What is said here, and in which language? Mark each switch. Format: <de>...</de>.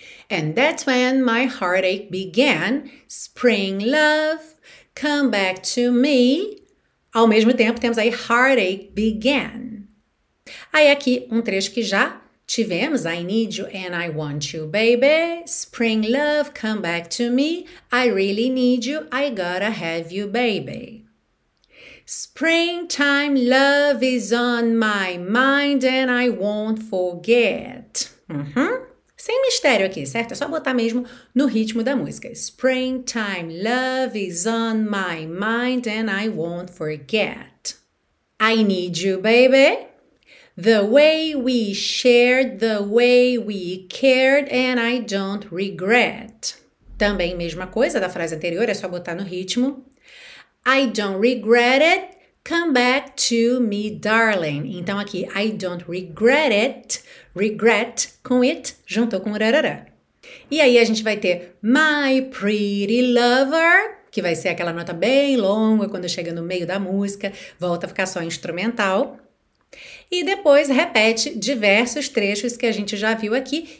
<en>And that's when my heartache began. Spring love, come back to me.</en> <pt>Ao mesmo tempo, temos aí</pt> <en>heartache began.</en> <pt>Aí aqui, um trecho que já tivemos.</pt> <en>I need you and I want you, baby. Spring love, come back to me. I really need you. I gotta have you, baby. Springtime love is on my mind and I won't forget.</en> <pt>Sem mistério aqui, certo? É só botar mesmo no ritmo da música.</pt> <en>Springtime love is on my mind and I won't forget. I need you, baby. The way we shared, the way we cared, and I don't regret.</en> <pt>Também mesma coisa da frase anterior, é só botar no ritmo.</pt> <en>I don't regret it. Come back to me, darling.</en> <pt>Então aqui,</pt> <en>I don't regret it.</en> <pt>Regret com it, juntou com rarará. E aí a gente vai ter</pt> <en>my pretty lover,</en> <pt>que vai ser aquela nota bem longa quando chega no meio da música, volta a ficar só instrumental. E depois repete diversos trechos que a gente já viu aqui.</pt>